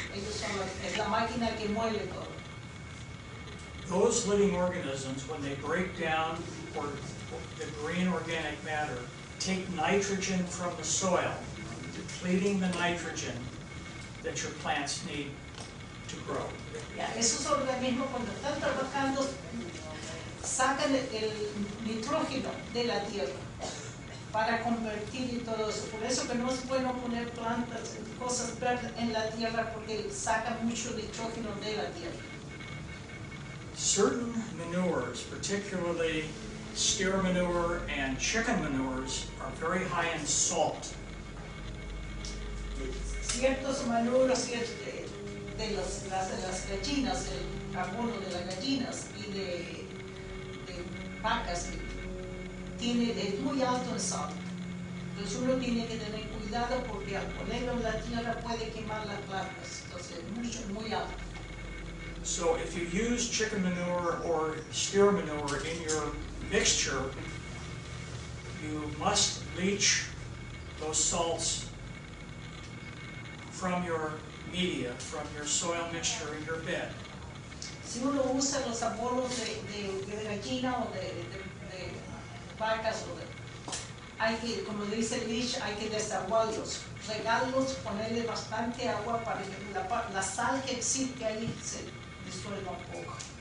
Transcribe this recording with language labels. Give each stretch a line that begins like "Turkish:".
Spanish: Es la máquina que mueve todo.
English: Those living organisms, when they break down or the green organic matter, take nitrogen from the soil, depleting the nitrogen that your plants need to grow.
Spanish: Yeah, esos organismos cuando están trabajando sacan el nitrógeno de la tierra para convertir y todo eso. Por eso que no es bueno poner plantas, cosas verdes en la tierra porque sacan mucho nitrógeno de la tierra.
English: Certain manures, particularly steer manure and chicken manures are very high in salt.
Spanish: Ciertos manuras de las gallinas, el carbono de las gallinas y de vacas es muy alto en sal. Entonces uno tiene que tener cuidado porque al ponerlo en la tierra puede quemar las plantas. Entonces mucho, muy alto.
English: So if you use chicken manure or steer manure in your mixture, you must leach those salts from your media, from your soil mixture in your bed.
Spanish: Si uno usa los abonos de gallina o de vacas o de, hay que, como dice leach, hay que desaguarlos, regarlos, ponerle bastante agua para que la sal que existe ahí se disuelva un poco.